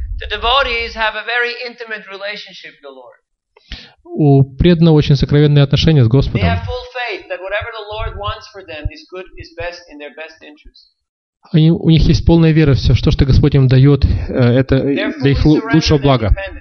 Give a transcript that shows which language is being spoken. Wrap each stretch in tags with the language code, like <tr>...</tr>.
<en>The devotees have a very intimate relationship with the Lord.</en> <ru>У преданного очень сокровенные отношения с Господом.</ru> <en>They have full faith that whatever the Lord wants for them is good, is best in their best interest.</en> <ru>Они, у них есть полная вера, все, что, что Господь им дает, это для их лучшего блага.</ru>